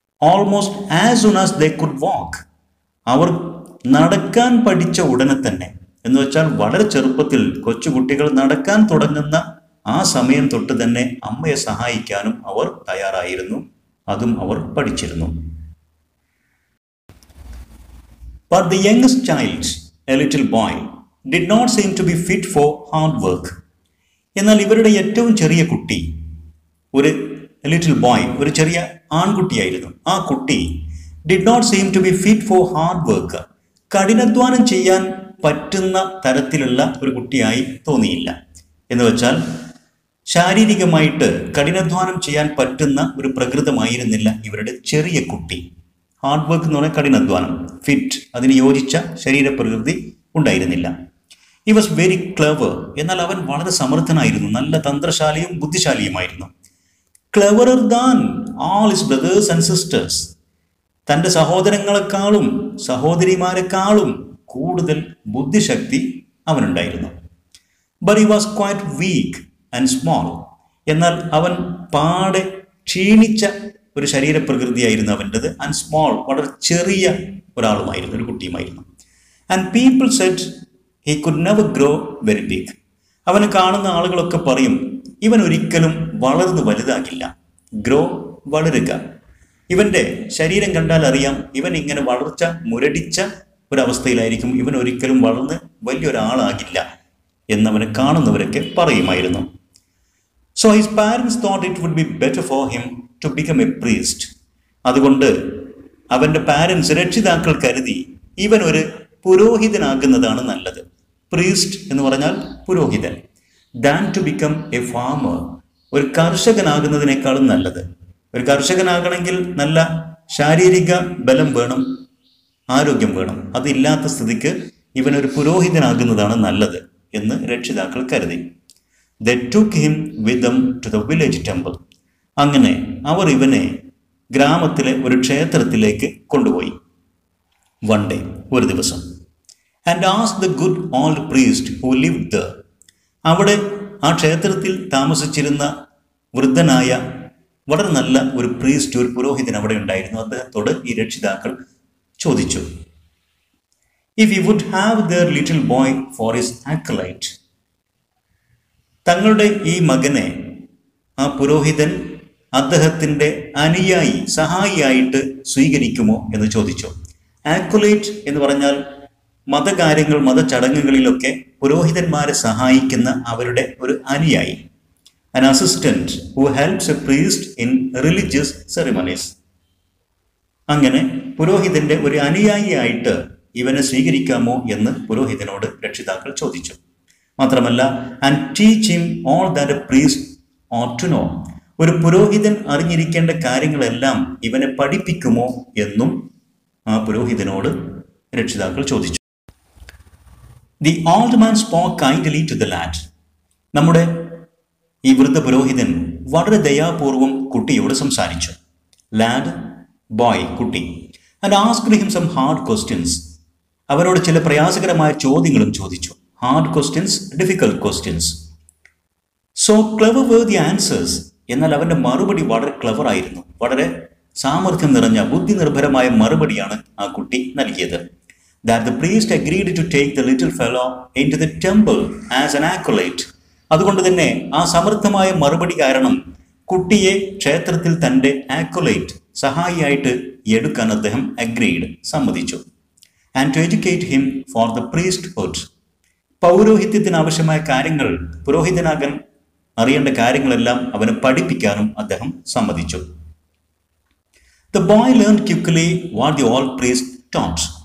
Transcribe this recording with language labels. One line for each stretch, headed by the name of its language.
English: almost as soon as they could walk,
Malayalam: അവർ നടക്കാൻ പഠിച്ച ഉടനെ തന്നെ, എന്ന് വെച്ചാൽ വളരെ ചെറുപ്പത്തിൽ കൊച്ചുകുട്ടികൾ നടക്കാൻ തുടങ്ങുന്ന ആ സമയം തൊട്ട് തന്നെ അമ്മയെ സഹായിക്കാനും അവർ തയ്യാറായിരുന്നു, അതും അവർ പഠിച്ചിരുന്നു.
English: But the youngest child, a little boy, did not seem to be fit for hard work.
Malayalam: എന്നാൽ ഇവരുടെ ഏറ്റവും ചെറിയ കുട്ടി, ഒരു
English: little boy,
Malayalam: ഒരു ചെറിയ ആൺകുട്ടിയായിരുന്നു, ആ കുട്ടി
English: did not seem to be fit for hard work,
Malayalam: കഠിനാധ്വാനം ചെയ്യാൻ പറ്റുന്ന തരത്തിലുള്ള ഒരു കുട്ടിയായി തോന്നിയില്ല. എന്ന് വെച്ചാൽ ശാരീരികമായിട്ട് കഠിനാധ്വാനം ചെയ്യാൻ പറ്റുന്ന ഒരു പ്രകൃതമായിരുന്നില്ല ഇവരുടെ ചെറിയ കുട്ടി. ഹാർഡ് വർക്ക് എന്ന് പറഞ്ഞാൽ കഠിനാധ്വാനം, ഫിറ്റ്, അതിന് യോജിച്ച ശരീരപ്രകൃതി ഉണ്ടായിരുന്നില്ല.
English: he was very clever,
Malayalam: എന്നാൽ അവൻ വളരെ സമർത്ഥനായിരുന്നു, നല്ല തന്ത്രശാലിയും ബുദ്ധിശാലിയുമായിരുന്നു.
English: Cleverer than all his brothers and sisters.
Malayalam: തൻ്റെ സഹോദരങ്ങളെക്കാളും സഹോദരിമാരെക്കാളും കൂടുതൽ ബുദ്ധിശക്തി അവനുണ്ടായിരുന്നു.
English: But he was quite weak and small.
Malayalam: എന്നാൽ അവൻ പാടെ ക്ഷീണിച്ച ഒരു ശരീരപ്രകൃതിയായിരുന്നു അവൻ്റെത്.
English: And small,
Malayalam: വളരെ ചെറിയ ഒരാളുമായിരുന്നു, ഒരു കുട്ടിയുമായിരുന്നു.
English: And people said he could never grow very big.
Malayalam: അവനെ കാണുന്ന ആളുകളൊക്കെ പറയും, ഇവൻ ഒരിക്കലും വളർന്ന് വലുതാകില്ല. ഗ്രോ, വളരുക. ഇവൻ്റെ ശരീരം കണ്ടാൽ അറിയാം, ഇവൻ ഇങ്ങനെ വളർച്ച മുരടിച്ച ഒരവസ്ഥയിലായിരിക്കും, ഇവൻ ഒരിക്കലും വളർന്ന് വലിയൊരാളാകില്ല എന്നവനെ കാണുന്നവരൊക്കെ പറയുമായിരുന്നു.
English: So his parents thought it would be better for him to become a priest.
Malayalam: അതുകൊണ്ട് അവൻ്റെ പാരൻസ്, രക്ഷിതാക്കൾ കരുതി ഇവൻ ഒരു പുരോഹിതനാകുന്നതാണ് നല്ലത്. പ്രീസ്റ്റ് എന്ന് പറഞ്ഞാൽ പുരോഹിതൻ.
English: Than to become a farmer,
Malayalam: ഒരു കർഷകനാകുന്നതിനേക്കാളും നല്ലത്. ഒരു കർഷകനാകണമെങ്കിൽ നല്ല ശാരീരിക ബലം വേണം, ആരോഗ്യം വേണം. അതില്ലാത്ത സ്ഥിതിക്ക് ഇവനൊരു പുരോഹിതനാകുന്നതാണ് നല്ലത് എന്ന് രക്ഷിതാക്കൾ കരുതി.
English: They took him with them to the village temple.
Malayalam: അങ്ങനെ അവർ ഇവനെ ഗ്രാമത്തിലെ ഒരു ക്ഷേത്രത്തിലേക്ക് കൊണ്ടുപോയി.
English: One day,
Malayalam: ഒരു ദിവസം.
English: And asked the good old priest who lived there.
Malayalam: അവിടെ ആ ക്ഷേത്രത്തിൽ താമസിച്ചിരുന്ന വൃദ്ധനായ വളരെ നല്ല ഒരു പ്രീസ്റ്റ്, ഒരു പുരോഹിതൻ അവിടെ ഉണ്ടായിരുന്നു. അദ്ദേഹത്തോട് ഈ രക്ഷിതാക്കൾ ചോദിച്ചു,
English: if you would have their little boy for his acolyte,
Malayalam: തങ്ങളുടെ ഈ മകനെ ആ പുരോഹിതൻ അദ്ദേഹത്തിൻ്റെ അനുയായി, സഹായിയായിട്ട് സ്വീകരിക്കുമോ എന്ന് ചോദിച്ചു. ആക്രലൈറ്റ് എന്ന് പറഞ്ഞാൽ മതകാര്യങ്ങൾ, മതചടങ്ങുകളിലൊക്കെ പുരോഹിതന്മാരെ സഹായിക്കുന്ന അവരുടെ ഒരു അനുയായി.
English: An assistant who helps a priest in religious ceremonies.
Malayalam: അങ്ങനെ പുരോഹിതന്റെ ഒരു അനുയായിയായിട്ട് ഇവനെ സ്വീകരിക്കാമോ എന്ന് പുരോഹിതനോട് രക്ഷിതാക്കൾ ചോദിച്ചു. മാത്രമല്ല,
English: and teach him all that a priest ought to know.
Malayalam: ഒരു പുരോഹിതൻ അറിഞ്ഞിരിക്കേണ്ട കാര്യങ്ങളെല്ലാം ഇവനെ പഠിപ്പിക്കുമോ എന്നും ആ പുരോഹിതനോട് രക്ഷിതാക്കൾ ചോദിച്ചു.
English: The old man spoke kindly to the lad.
Malayalam: നമ്മുടെ ഈ വൃദ്ധ പുരോഹിതൻ വളരെ ദയാപൂർവം കുട്ടിയോട് സംസാരിച്ചു.
English: Lad, boy,
Malayalam: കുട്ടി.
English: And asked him some hard questions.
Malayalam: അവനോട് ചില പ്രയാസകരമായ ചോദ്യങ്ങളും ചോദിച്ചു.
English: Hard questions, difficult questions. So clever were the answers.
Malayalam: എന്നാൽ അവൻ്റെ മറുപടി വളരെ ക്ലവർ ആയിരുന്നു. വളരെ സാമർഥ്യം നിറഞ്ഞ, ബുദ്ധി നിർഭരമായ മറുപടിയാണ് ആ കുട്ടി നൽകിയത്.
English: That the priest agreed to take the little fellow into the temple as an acolyte.
Malayalam: അതുകൊണ്ട് തന്നെ ആ സമർത്ഥമായ മറുപടി കാരണം കുട്ടിയെ ക്ഷേത്രത്തിൽ തൻ്റെ acolyte, സഹായിയായിട്ട് എടുക്കാൻ അദ്ദേഹം agreed, സമ്മതിച്ചു.
English: And to educate him for the priesthood.
Malayalam: പൗരോഹിത്യത്തിന് ആവശ്യമായ കാര്യങ്ങൾ, പുരോഹിതനാകാൻ അറിയേണ്ട കാര്യങ്ങളെല്ലാം അവനെ പഠിപ്പിക്കാനും അദ്ദേഹം സമ്മതിച്ചു.
English: The boy learned quickly what the old priest taught.